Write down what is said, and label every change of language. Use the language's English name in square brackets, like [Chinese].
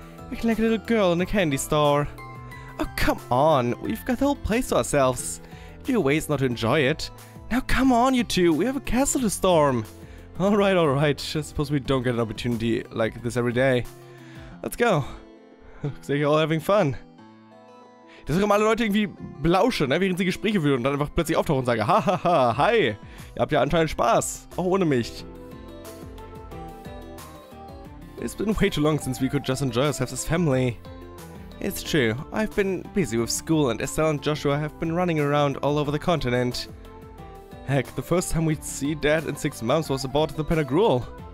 [English] Looking like a little girl in a candy store. Oh, come on! We've got the whole place to ourselves. Do you waste not to enjoy it? Now come on, you two! We have a castle to storm! Alright. I suppose we don't get an opportunity like this every day. Let's go! Looks like you're all having fun. [German] Das sind alle Leute irgendwie blauschen, ne, während sie Gespräche führen und dann einfach plötzlich auftauchen und sagen, hahaha, hi, ihr habt ja anscheinend Spaß, auch ohne mich. [English] It's been way too long since we could just enjoy ourselves as family. It's true, I've been busy with school and Estelle and Joshua have been running around all over the continent. Heck, the first time we'd see Dad in 6 months was aboard the Pettigruel.